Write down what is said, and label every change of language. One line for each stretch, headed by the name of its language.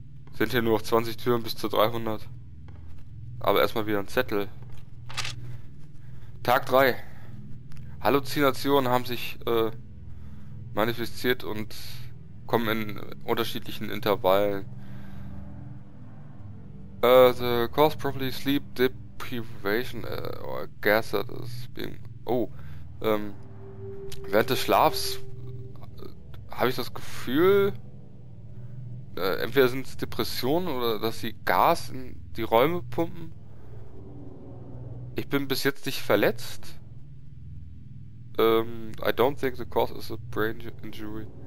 German: Das Sind hier nur noch 20 Türen bis zu 300. Aber erstmal wieder ein Zettel. Tag 3. Halluzinationen haben sich manifestiert und kommen in unterschiedlichen Intervallen.
English: The cause probably sleep deprivation or gas that is being. Oh.
German: Während des Schlafs habe ich das Gefühl, entweder sind es Depressionen oder dass sie Gas in die Räume pumpen. Ich bin bis jetzt nicht verletzt.
English: I don't think the cause is a brain injury.